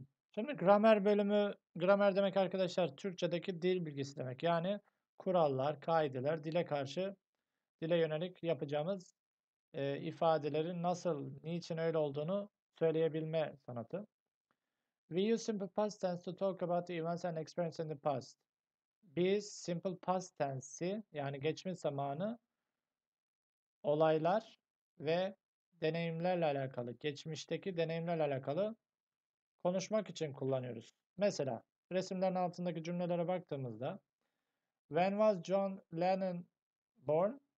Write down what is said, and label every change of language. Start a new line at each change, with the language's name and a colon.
Turkish: Şimdi gramer bölümü, gramer demek arkadaşlar Türkçedeki dil bilgisi demek. Yani kurallar, kaideler, dile karşı, dile yönelik yapacağımız ifadelerin nasıl, niçin öyle olduğunu söyleyebilme sanatı.
English: We use simple past tense to talk about the events and experiences in the past.
Turkish: Biz simple past tense'i, yani geçmiş zamanı, olaylar ve deneyimlerle alakalı, geçmişteki deneyimlerle alakalı konuşmak için kullanıyoruz. Mesela resimlerin altındaki cümlelere baktığımızda,
English: when was John Lennon born?